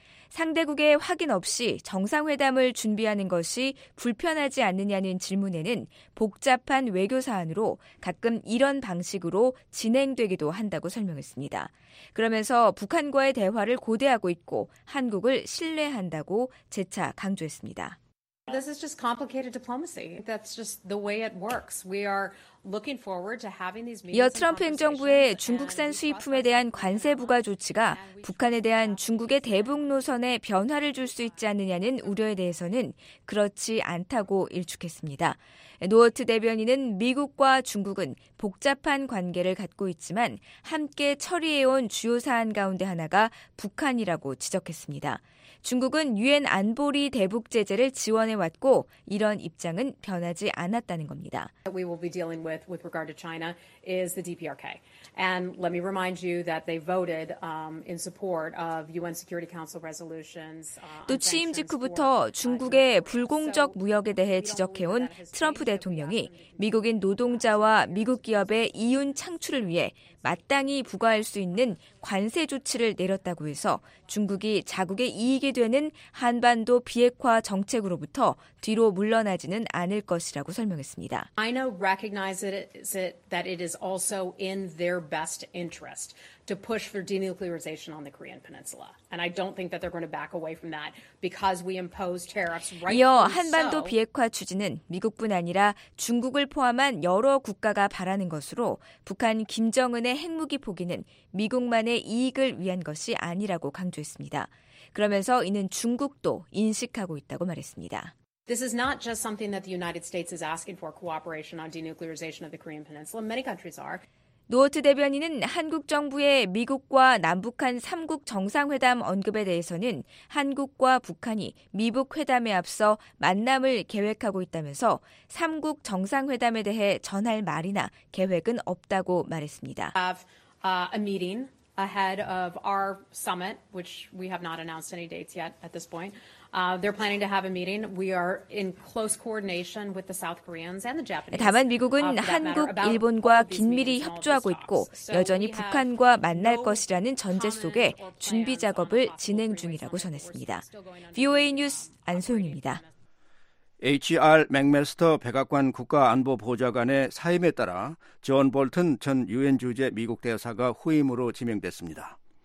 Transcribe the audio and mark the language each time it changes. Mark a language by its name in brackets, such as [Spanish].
[Korean] 상대국의 확인 없이 정상회담을 준비하는 것이 불편하지 않느냐는 질문에는 복잡한 외교 사안으로 가끔 이런 방식으로 진행되기도 한다고 설명했습니다. 그러면서 북한과의 대화를 고대하고 있고 한국을 신뢰한다고 재차 강조했습니다. [English] This is just complicated diplomacy. That's just the way it works. We are looking forward to having these meetings. [Korean] 이어 트럼프 행정부의 중국산 수입품에 대한 관세 부과 조치가 북한에 대한 중국의 대북 노선에 변화를 줄 수 있지 않느냐는 우려에 대해서는 그렇지 않다고 일축했습니다. 노어트 대변인은 미국과 중국은 복잡한 관계를 갖고 있지만 함께 처리해온 주요 사안 가운데 하나가 북한이라고 지적했습니다. 중국은 유엔 안보리 대북 제재를 지원해왔고 이런 입장은 변하지 않았다는 겁니다. [English] We will be dealing with regard to China is the DPRK. And let me remind you that they voted in support of UN Security Council resolutions. [Korean] 또 취임 직후부터 중국의 불공정 무역에 대해 지적해온 트럼프 대통령이 미국인 노동자와 미국 기업의 이윤 창출을 위해 마땅히 부과할 수 있는 관세 조치를 내렸다고 해서 중국이 자국의 이익이 되는 한반도 비핵화 정책으로부터 뒤로 물러나지는 않을 것이라고 설명했습니다. [English] China recognizes it that it is also in their best interest to push for denuclearization on the Korean Peninsula. And I don't think that they're going to back away from that because we impose tariffs right now. [Korean] 이어 한반도 비핵화 추진은 미국뿐 아니라 중국을 포함한 여러 국가가 바라는 것으로 북한 김정은의 핵무기 포기는 미국만의 이익을 위한 것이 아니라고 강조했습니다. 그러면서 이는 중국도 인식하고 있다고 말했습니다. [English] This is not just something that the United States is asking for cooperation on denuclearization of the Korean Peninsula. Many countries are. [Korean] 노어트 대변인은 한국 정부의 미국과 남북한 3국 정상회담 언급에 대해서는 한국과 북한이 미북 회담에 앞서 만남을 계획하고 있다면서 3국 정상회담에 대해 전할 말이나 계획은 없다고 말했습니다. [English] A meeting ahead of our summit, which we have not announced any dates yet at this point. They're planning to have a meeting. We are in close coordination with the South Koreans and the Japanese. [Korean] 다만 미국은 한국, 일본과 긴밀히 협조하고 있고 여전히 북한과 만날 것이라는 전제 속에 준비 작업을 진행 중이라고 전했습니다. VOA 뉴스 안소영입니다. H.R. 맥메스터 백악관 국가안보보좌관의 사임에 따라 존 볼튼 전 유엔 주재 미국 대사가 후임으로 지명됐습니다.